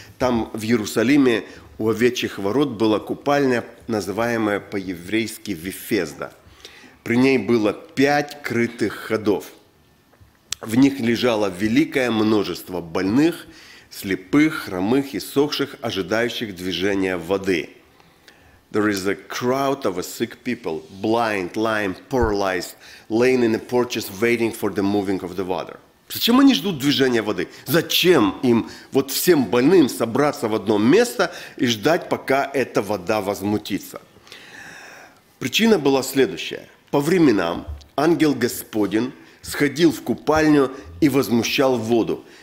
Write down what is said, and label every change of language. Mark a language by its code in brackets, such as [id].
[ru] Там в Иерусалиме у овечьих ворот была купальня, называемая по-еврейски Вифезда. При ней было 5 крытых ходов. В них лежало великое множество больных, слепых, хромых и сохших, ожидающих движения воды. [en] There is a crowd of sick people, blind, lame, paralyzed, laying in the porches, waiting for the moving of the water. [ru] Зачем они ждут движения воды? Зачем им, вот всем больным, собраться в одно место и ждать, пока эта вода возмутится? Причина была следующая. По временам ангел Господень сходил в купальню и возмущал воду.